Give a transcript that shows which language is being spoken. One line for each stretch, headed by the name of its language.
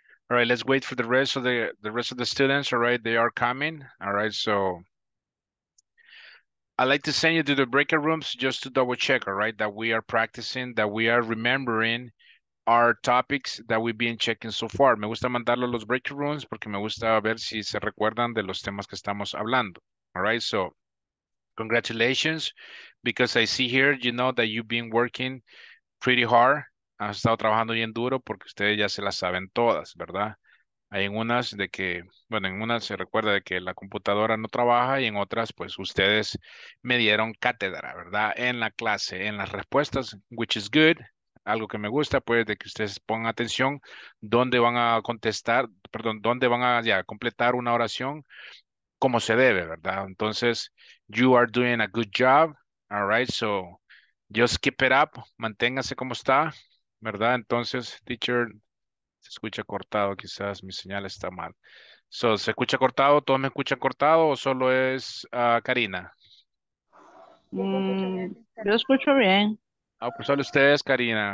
English: All right, let's wait for the rest of the students. All right, they are coming. All right, so I'd like to send you to the breakout rooms just to double check, all right, that we are practicing, that we are remembering our topics that we've been checking so far.
Spanish: Me gusta mandarlo a los breakout rooms porque me gusta ver si se recuerdan de los temas que estamos hablando.
English: All right, so congratulations, because I see here, you know, that you've been working pretty hard.
Spanish: Han estado trabajando bien duro porque ustedes ya se las saben todas, ¿verdad? Hay en unas de que, bueno, en unas se recuerda de que la computadora no trabaja y en otras, pues, ustedes me dieron cátedra, ¿verdad? En la clase, en las respuestas,
English: which is good.
Spanish: Algo que me gusta, pues, de que ustedes pongan atención dónde van a contestar, perdón, dónde van a ya completar una oración como se debe, ¿verdad? Entonces,
English: you are doing a good job, all right? So, just keep it up,
Spanish: manténgase como está. ¿Verdad? Entonces, teacher, se escucha cortado, quizás mi señal está mal. So, ¿se escucha cortado? ¿Todos me escuchan cortado o solo es Karina? Yo escucho bien. Ah, pues solo ustedes, Karina.